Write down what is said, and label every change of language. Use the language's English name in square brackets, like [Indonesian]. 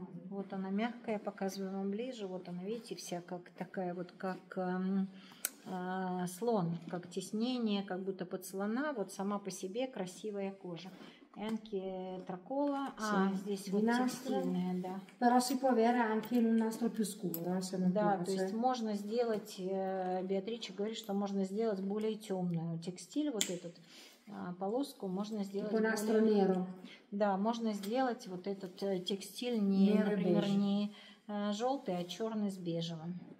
[Russian] Вот она мягкая, показываю вам ближе. Вот она, видите, вся как такая вот, как слон, как тиснение, как будто под слона. Вот сама по себе красивая кожа. Энки тракола, а здесь вот текстильная, да. [Italian] Però si può avere anche un nastro più scuro, se non [Russian] Да, то есть можно сделать, Беатрича говорит, что можно сделать более темную текстиль, вот этот полоску можно сделать. [Italian] Tipo nastro nero. [Russian] Да, можно сделать вот этот текстиль не, nero, например, beige. Не желтый, а черный с бежевым.